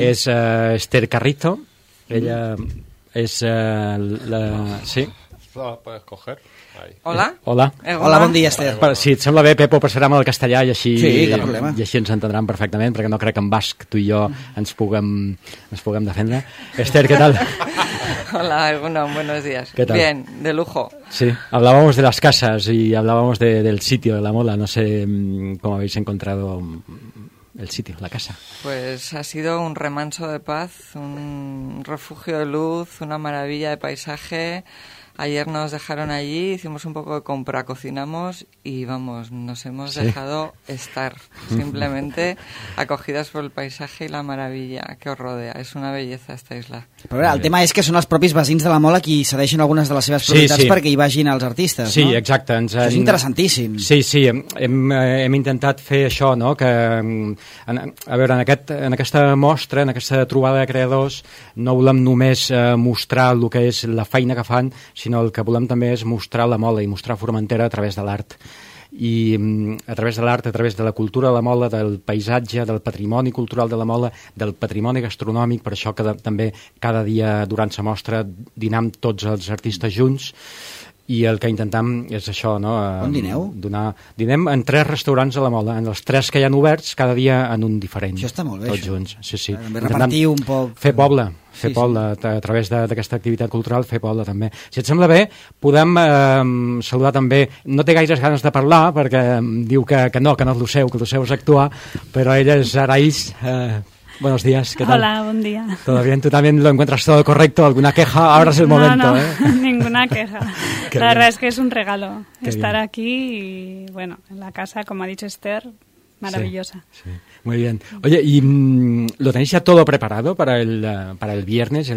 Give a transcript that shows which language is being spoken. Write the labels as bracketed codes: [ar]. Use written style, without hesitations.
[ca] És Esther Carrizo. Ella és la... [es] Sí? La puedes coger? Hola. Hola. [ca] Hola, bon dia, Esther. Però, si et sembla bé, Pepo, passarà amb el castellà i així, sí, cap problema. I així ens entendran perfectament, perquè no crec que en basc tu i jo ens puguem defendre. Esther, què tal? [es] Hola, Egunon, buenos días. ¿Qué tal? Bien, de lujo. Sí, hablábamos de las casas y hablábamos del sitio, de la Mola. No sé cómo habéis encontrado... El sitio, la casa. Pues ha sido un remanso de paz, un refugio de luz, una maravilla de paisaje. Ayer nos dejaron allí, hicimos un poco de compra, cocinamos y vamos, nos hemos dejado estar, simplemente acogidas por el paisaje y la maravilla que os rodea. Es una belleza esta isla. [ca] Però el tema és que són els propis veïns de la Mola qui cedeixen algunes de les seves propietats, sí, sí, perquè hi vagin els artistes, sí, no? Sí, exacte. És interessantíssim. Sí, sí, hem intentat fer això, no? Que, a veure, en aquesta mostra, en aquesta trobada de creadors, no volem només mostrar el que és la feina que fan, sinó el que volem també és mostrar la Mola i mostrar Formentera a través de l'art. I a través de l'art, a través de la cultura de la Mola, del paisatge, del patrimoni cultural de la Mola, del patrimoni gastronòmic, per això que també cada dia durant la mostra dinam tots els artistes junts. I el que intentam és això, no? On dineu? Dinem en tres restaurants a la Mola, en els tres que hi ha oberts, cada dia en un diferent. Això està molt bé, tots això. Junts. Sí, sí. Repartir un poc. Fer poble, sí. A través d'aquesta activitat cultural, fer poble també. Si et sembla bé, podem saludar també, no té gaires ganes de parlar, perquè diu que no és lo seu, que lo seu és actuar, però ella és Araís... [es] Buenos días, ¿qué tal? Hola, buen día. ¿Todo bien? ¿Tú también lo encuentras todo correcto? ¿Alguna queja? Ahora es el momento. No, ninguna queja. La verdad es que es un regalo estar aquí y, bueno, en la casa, como ha dicho Esther, maravillosa. Sí, sí. Muy bien. Oye, ¿y lo tenéis ya todo preparado para el viernes?